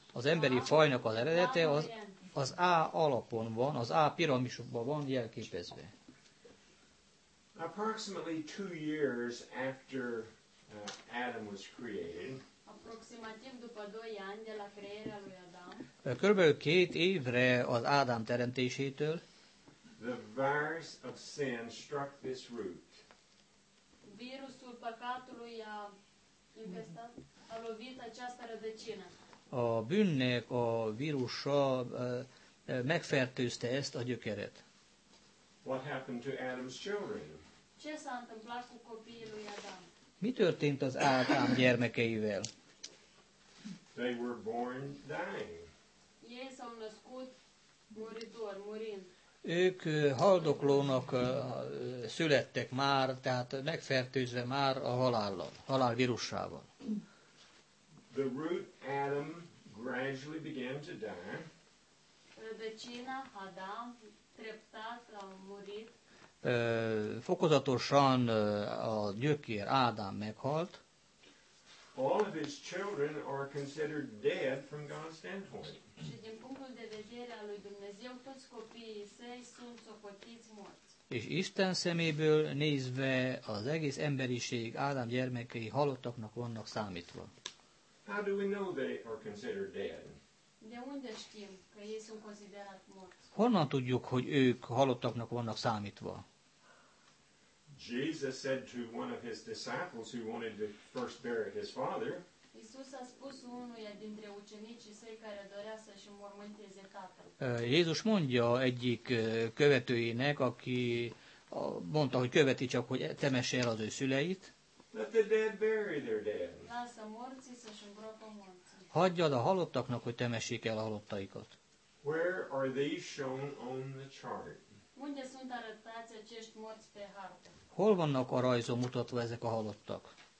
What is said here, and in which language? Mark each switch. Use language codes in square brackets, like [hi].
[hu] Az emberi fajnak az eredete az A alapon van, az A piramisokban van jelképezve. [en] Approximately 2 years after Adam was created. [ro] Approximativ după 2 ani de la crearea lui Adam. [hu] Körülbelül 2 évre az Ádám teremtésétől. [en] The virus of sin struck this root. [ro] Virusul păcatului a infestat, a lovit această rădăcină. [hu] A bűnnek a vírusa megfertőzte ezt a gyökeret. [en] What happened to Adam's children? [ro] Ce s-a întâmplat cu copiii lui Adam? [hu] Mi történt az Ádám gyermekeivel? [en] They were born dying. [ro] Ei s-au născut moritor, murind. [hu] Ők haldoklónak születtek már, tehát megfertőzve már a halállal, halálvírussával. [en] The root Adam gradually began to die. [ro] Rădăcina Adam treptat a murit. [hu] Fokozatosan a gyökér Ádám meghalt. [en] All of his children are considered dead from God's standpoint. [ro] Și din punctul de vedere al lui Dumnezeu, toți copiii săi sunt socotiți morți. [hu] És Isten szeméből nézve az egész emberiség Ádám gyermekei halottaknak vannak számítva. [en] How do we know they are considered dead? [ro] De unde știm că ei sunt considerat morți? [hu] Honnan tudjuk, hogy ők halottaknak vannak számítva? [en] Jesus said to one of his disciples who wanted to first bury his father. [ro] Iisus a spus unuia dintre ucenicii săi care dorea să-și înmormânteze tatăl. [hu] Jézus mondja egyik követőinek, aki mondta, hogy követi csak, hogy temesse el az ő szüleit. [en] Let the dead bury their dead. [ro] Lasă morții să-și îngropă morții. [hu] Hagyjad a halottaknak, hogy temessék el a halottaikat. [en] Where are these shown on the chart? [ro] Unde sunt arătați acești morți pe hartă? [hu] Hol vannak a rajzon mutatva ezek a halottak?